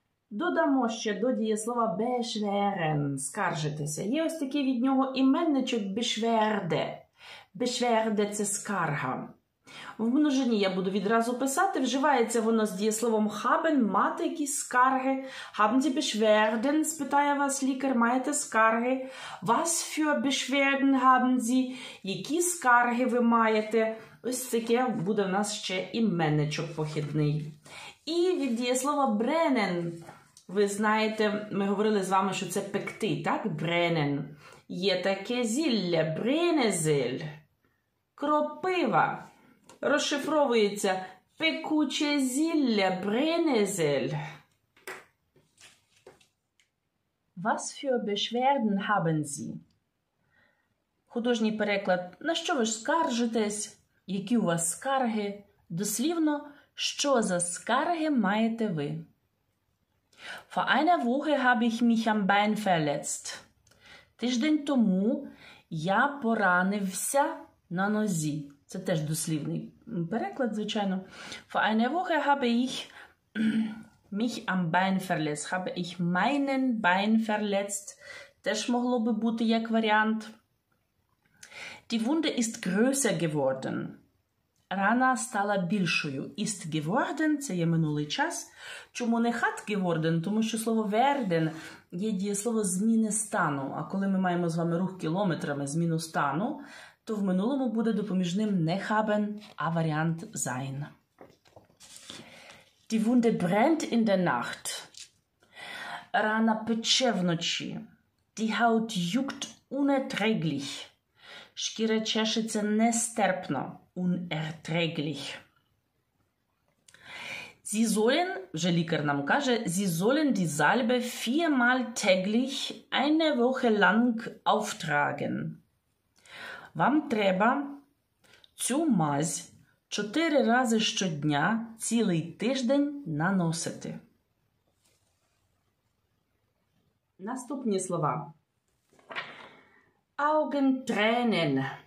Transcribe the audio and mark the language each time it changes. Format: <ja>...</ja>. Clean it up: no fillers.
<uk>Додамо ще до дієслова «бешверен» – «скаржитися». Є ось такий від нього іменничок «бешверде». «Бешверде» – це «скарга». В множині я буду відразу писати. Вживається воно з дієсловом «хабен» – «мати якісь скарги». «Haben Sie Beschwerden?» – спитає вас лікар. «Маєте скарги?»</uk> <de>«Was für Beschwerden haben Sie?»</de> <uk>– «Які скарги ви маєте?» Ось таке буде в нас ще іменничок похідний. І від дієслова «бренен». Ви знаєте, ми говорили з вами, що це пекти, так? Бренен. Є таке зілля, бренезель, кропива. Розшифровується пекуче зілля, бренезель.</uk> <de>Was für Beschwerden haben Sie?</de> <uk>Художній переклад. На що ви ж скаржитесь? Які у вас скарги? Дослівно, що за скарги маєте ви?</uk> <de>Vor einer Woche habe ich mich am Bein verletzt.</de> <uk>Тиждень тому я поранився на нозі. Це теж дослівний переклад, звичайно.</uk> <de>Vor einer Woche habe ich mich am Bein verletzt. Habe ich meinen Bein verletzt.</de> <uk>Теж могло би бути як варіант.</uk> <de>Die Wunde ist größer geworden.</de> <uk>Рана стала більшою. «Ist geworden» – це є минулий час. Чому не «hat geworden»? Тому що слово «werden» є дієслово «зміни стану». А коли ми маємо з вами рух кілометрами, зміну стану, то в минулому буде допоміжним не «haben», а варіант «sein».</uk> <de>«Die Wunde brennt in der Nacht». Рана пече вночі. «Die Haut juckt unerträglich».</de> <uk>Шкіра чешеться нестерпно.</uk> <de>Unerträglich. Sie sollen, вже лікар нам каже, Sie sollen die Salbe viermal täglich eine Woche lang auftragen.</de> <uk>Вам треба цю мазь 4 рази щодня цілий тиждень наносити. Наступні слова. Augentränen.</uk>